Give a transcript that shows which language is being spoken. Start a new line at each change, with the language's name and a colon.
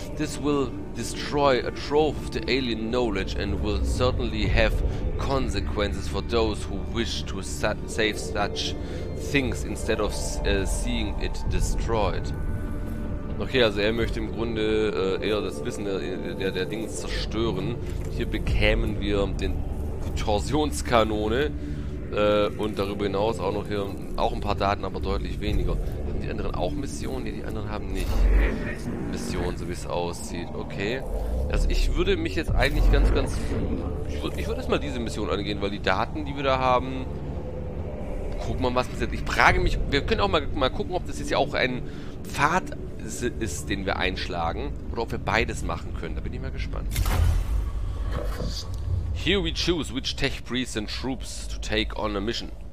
English: This will destroy a trove of the alien knowledge and will certainly have consequences for those who wish to save such things instead of seeing it destroyed.
German: Okay, also er möchte im Grunde eher das Wissen der Dinge zerstören. Hier bekämen wir den Torsionskanone und darüber hinaus auch noch hier auch ein paar Daten, aber deutlich weniger. Haben die anderen auch Missionen? Ne, die anderen haben nicht Missionen, so wie es aussieht. Okay, also ich würde mich jetzt eigentlich ganz ich würde erstmal diese Mission angehen, weil die Daten, die wir da haben, gucken wir mal, was passiert. Ich frage mich, wir können auch mal gucken, ob das jetzt ja auch ein Pfad ist, den wir einschlagen, oder ob wir beides machen können. Da bin ich mal gespannt.
English: Here we choose which tech priests and troops to take on a mission.